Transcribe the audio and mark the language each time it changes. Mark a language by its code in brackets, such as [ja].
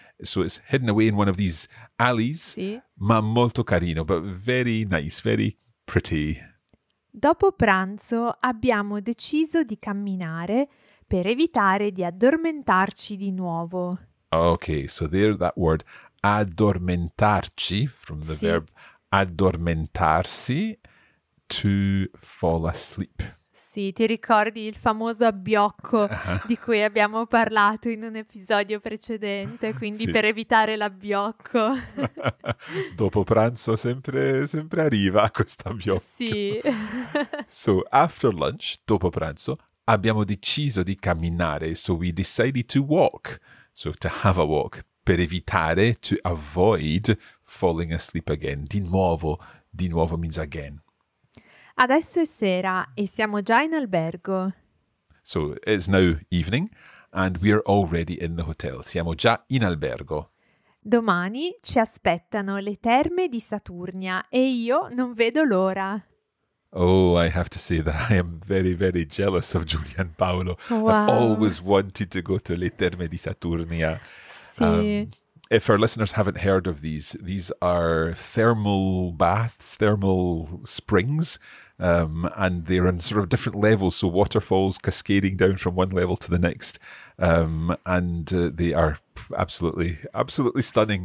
[en] So it's hidden away in one of these alleys, [it] sì. Ma molto carino, [en] but very nice, very pretty. [it] Dopo pranzo abbiamo deciso di camminare per evitare di addormentarci di nuovo. [en] Okay, so there that word, addormentarci, from the [it] sì. [en] verb addormentarsi, to fall asleep. [it] Sì, ti ricordi il famoso abbiocco di cui abbiamo parlato in un episodio precedente, quindi sì. Per evitare l'abbiocco. Dopo pranzo sempre arriva questo abbiocco. Sì. [en] So, after lunch, [it] dopo pranzo, abbiamo deciso di camminare. [en] So we decided to walk. So to have a walk. [it] Per evitare, [en] to avoid falling asleep again. Di nuovo means again. [it] Adesso è sera e siamo già in albergo. [en] So it's now evening and we are already in the hotel. [it] Siamo già in albergo. Domani ci aspettano le terme di Saturnia e io non vedo l'ora. [en] Oh, I have to say that I am very, very jealous of Giulia and Paolo. Wow. I've always wanted to go to le terme di Saturnia. [it] Sì. [en] If our listeners haven't heard of these are thermal baths, thermal springs, and they're on sort of different levels, so waterfalls cascading down from one level to the next, and they are absolutely, absolutely stunning.